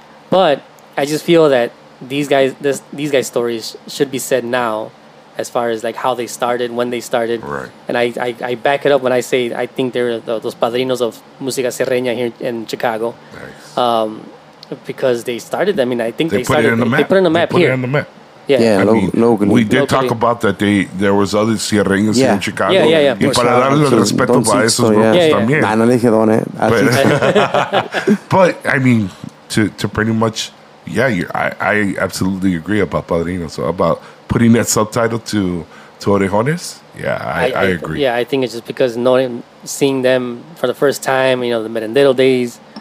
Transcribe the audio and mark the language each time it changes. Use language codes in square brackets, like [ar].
[en] But I just feel that these guys' stories should be said now as far as like how they started, when they started. Right. And I back it up when I say I think they're those padrinos of Música Cierreña here in Chicago. Nice. Because they started, I mean, I think they put it on the map. Yeah, locally. We did talk about that. There was other Cierreños in Chicago. Yeah. [es] Y para darle el respeto a esos grupos también. No le dije dónde. [en] But I mean, to pretty much, yeah, I absolutely agree about Padrinos. So about putting that subtitle to Orejones. Yeah, I agree. Yeah, I think it's just because seeing them for the first time, you know, the Merendero days.